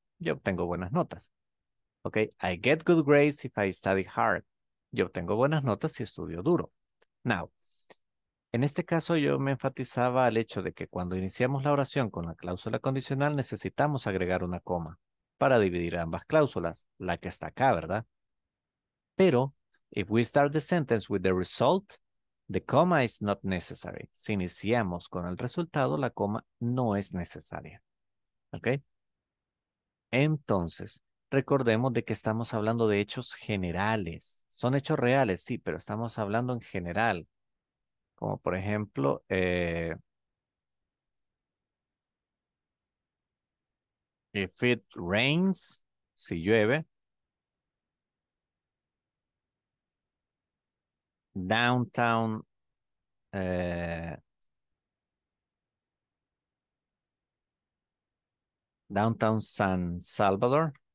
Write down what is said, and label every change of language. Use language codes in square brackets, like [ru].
[es] Yo obtengo buenas notas. [en] ¿Ok? I get good grades if I study hard. [es] Yo obtengo buenas notas si estudio duro. Now, en este caso yo me enfatizaba al hecho de que cuando iniciamos la oración con la cláusula condicional necesitamos agregar una coma para dividir ambas cláusulas, la que está acá, ¿verdad? [en] Pero, if we start the sentence with the result, the comma is not necessary. [es] Si iniciamos con el resultado, la coma no es necesaria. ¿Ok? Entonces, recordemos de que estamos hablando de hechos generales. Son hechos reales, sí, pero estamos hablando en general. Como por ejemplo, [en] if it rains, [es] si llueve, downtown downtown San Salvador.